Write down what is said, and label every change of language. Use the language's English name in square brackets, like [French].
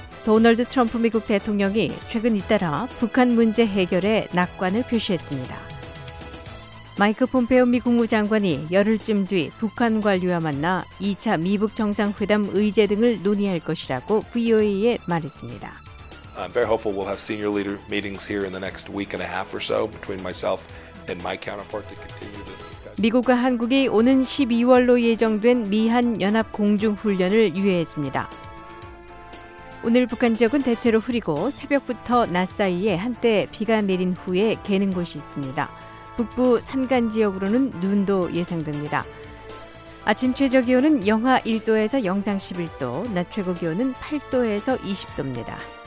[Korean] 도널드 트럼프 미국 대통령이 최근 잇따라 북한 문제 해결에 낙관을 표시했습니다. 마이크 폼페오 미 국무장관이 열흘쯤 뒤 북한 관료와 만나 2차 미북 정상회담 의제 등을 논의할 것이라고 VOA에 말했습니다. [English] I'm very hopeful we'll have senior leader meetings here in the next week and a half or so between myself and my counterpart to continue this discussion. [Korean] 미국과 한국이 오는 12월로 예정된 미한 연합 공중 훈련을 유예했습니다. 오늘 북한 지역은 대체로 흐리고 새벽부터 낮 사이에 한때 비가 내린 후에 개는 곳이 있습니다. 북부 산간 지역으로는 눈도 예상됩니다. 아침 최저 기온은 영하 1도에서 영상 11도, 낮 최고 기온은 8도에서 20도입니다.